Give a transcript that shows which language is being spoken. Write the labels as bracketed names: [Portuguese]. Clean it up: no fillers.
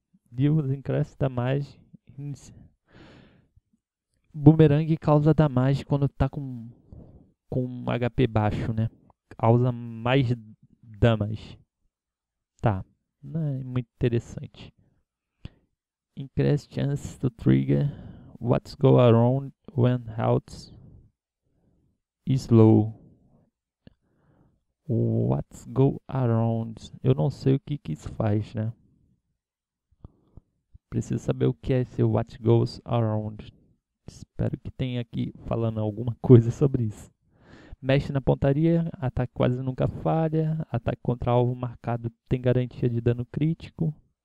[English] Deals increase damage. [Portuguese] Boomerang causa damage quando tá com um HP baixo, né? Causa mais damage. Tá. Não é muito interessante. [English] Increase chance to trigger. What's go around when health is low. What's go around? [Portuguese] Eu não sei o que que isso faz, né? Preciso saber o que é esse what goes around. Espero que tenha aqui falando alguma coisa sobre isso. Mexe na pontaria, ataque quase nunca falha, ataque contra alvo marcado tem garantia de dano crítico.